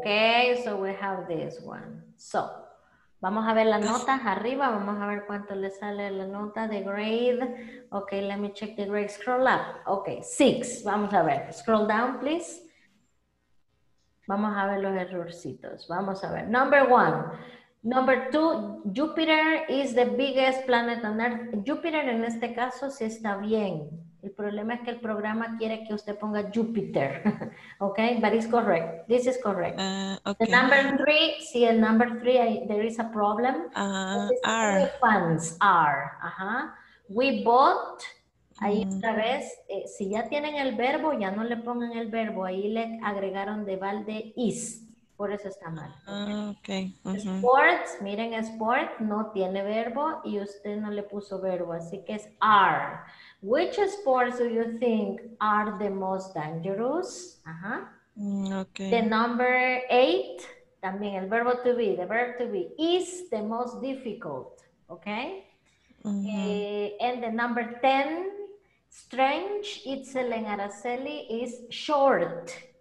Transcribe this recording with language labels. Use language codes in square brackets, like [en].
[en] Okay, so we have this one. [es] So, vamos a ver las notas arriba, vamos a ver cuánto le sale la nota, [en] the grade. Okay, let me check the grade, scroll up. Okay, 6, [es] vamos a ver, [en] scroll down, please. [es] Vamos a ver los errorcitos, vamos a ver. [en] Number 2, Jupiter is the biggest planet on Earth. [es] Jupiter en este caso sí está bien. El problema es que el programa quiere que usted ponga Jupiter. [en] Okay, but it's correct. This is correct. Okay. The number 3, see el number 3, there is a problem. R. Fans are. Uh-huh. We bought. [es] Ahí esta vez, si ya tienen el verbo, ya no le pongan el verbo. Ahí le agregaron de balde is. Por eso está mal. [en] Okay. Uh-huh. [es] Sports, miren, sport no tiene verbo y usted no le puso verbo, así que es are. [en] Which sports do you think are the most dangerous? Uh-huh. Okay. The number 8, [es] también el verbo [en] to be, the verb to be, is the most difficult. Okay. Uh-huh. And the number 10, strange, Itzel and Araceli, is short.